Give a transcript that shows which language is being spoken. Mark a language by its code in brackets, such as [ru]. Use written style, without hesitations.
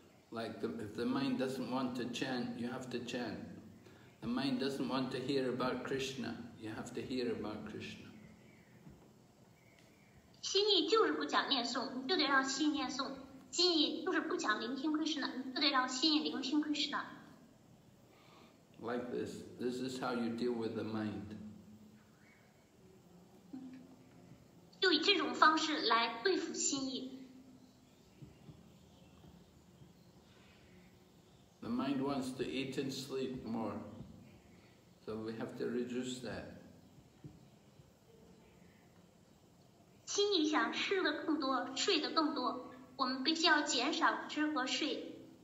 [en] Like, if the mind doesn't want to chant, you have to chant. The mind doesn't want to hear about Krishna, you have to hear about Krishna. [zh] 心意就是不讲念诵，你就得让心意念诵。心意就是不讲聆听 Krishna， 你就得让心意聆听 Krishna。 [en] Like this, this is how you deal with the mind. [zh] 就以这种方式来对付心意。 [en] The mind wants to eat and sleep more, so we have to reduce that. [zh] 心意想吃的更多，睡的更多，我们必须要减少吃和睡。